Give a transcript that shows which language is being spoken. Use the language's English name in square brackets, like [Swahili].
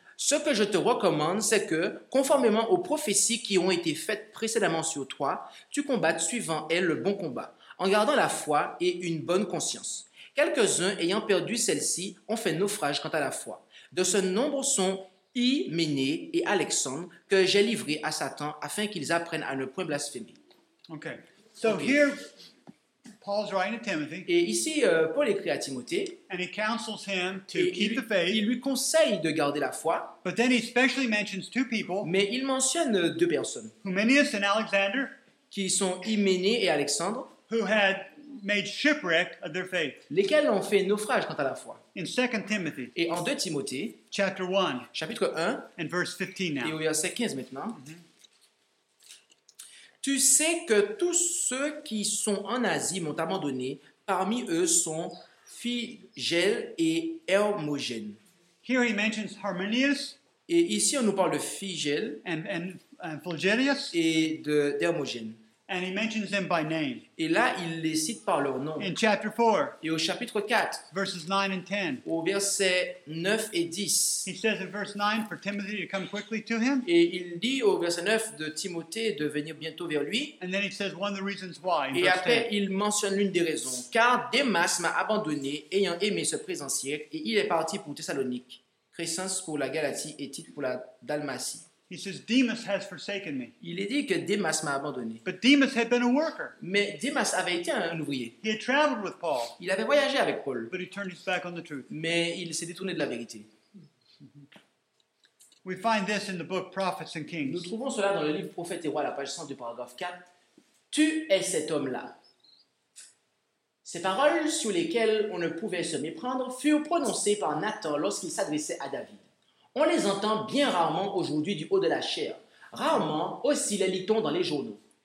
[French] Ce que je te recommande, c'est que, conformément aux prophéties qui ont été faites précédemment sur toi, tu combattes suivant elles le bon combat, en gardant la foi et une bonne conscience. Quelques-uns, ayant perdu celle-ci, ont fait naufrage quant à la foi. De ce nombre sont Hyménée et Alexandre, que j'ai livrés à Satan, afin qu'ils apprennent à ne point blasphémer. [English] Okay. So here, Paul's writing to Timothy. [French] Et ici, Paul écrit à Timothée. [English] And he counsels him to keep the faith. [French] Il lui conseille de garder la foi. [English] But then he specially mentions two people. [French] Mais il mentionne deux personnes. [English] Hyménée and Alexander. [French] Qui sont Hyménée et Alexandre. [English] Who had made shipwreck of their faith. [French] Lesquels ont fait naufrage quant à la foi. [English] In 2 Timothy. [French] Et en 2 Timothée. [English] Chapter 1. [French] Chapitre 1. [English] And verse 15 now. [French] Et au verset 15 maintenant. Mm-hmm. Tu sais que tous ceux qui sont en Asie m'ont abandonné, parmi eux sont Phygèle et Hermogène. [English] Here he mentions Hermonius. [French] Et ici on nous parle de Phygèle [English] and Phygelius. [French] Et d'Hermogène. [English] And he mentions them by name. [French] Et là il les cite par leur nom. [English] In chapter 4. [French] Et au chapitre 4. [English] Verses 9 and 10. [French] Au verset 9 et 10. [English] He says in verse 9 for Timothy to come quickly to him. [French] Et il dit au verset 9 de Timothée de venir bientôt vers lui. [English] And then he says one of the reasons why. [French] Et après il mentionne l'une des raisons. Car Démas m'a abandonné ayant aimé ce présent siècle et il est parti pour Thessalonique. Crescens pour la Galatie et Tite pour la Dalmatie. [English] He says, Demas has forsaken me. [French] Il est dit que Demas m'a abandonné. [English] But Demas had been a worker. [French] Mais Demas avait été un ouvrier. [English] He had traveled with Paul. [French] Il avait voyagé avec Paul. [English] But he turned his back on the truth. [French] Mais il s'est détourné de la vérité. [English] We find this in the book Prophets and Kings. [French] Nous trouvons cela dans le livre Prophètes et Rois, la page 100 du paragraphe 4. Tu es cet homme-là. Ces paroles sur lesquelles on ne pouvait se méprendre furent prononcées par Nathan lorsqu'il s'adressait à David. On les entend bien rarement aujourd'hui du haut de la chair. Rarement aussi les lit-on dans les journaux.